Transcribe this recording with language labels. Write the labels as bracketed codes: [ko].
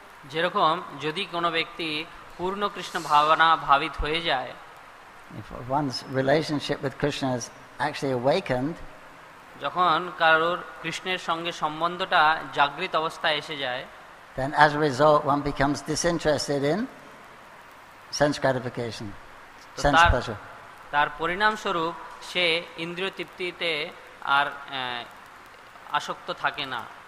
[bn] যেরকম যদি কোনো ব্যক্তি পূর্ণ কৃষ্ণ ভাবনা ভাবিত হয়ে যায়, [en] if one's relationship with Krishna is actually awakened, [bn] যখন কারোর কৃষ্ণের সঙ্গে সম্বন্ধটা জাগ্রত অবস্থায় এসে যায়, [en] then as a result one becomes disinterested in sense gratification, sense pleasure. [bn] তার পরিণামস্বরূপ সে ইন্দ্রিয় তৃপ্তিতে আর আসক্ত থাকে না।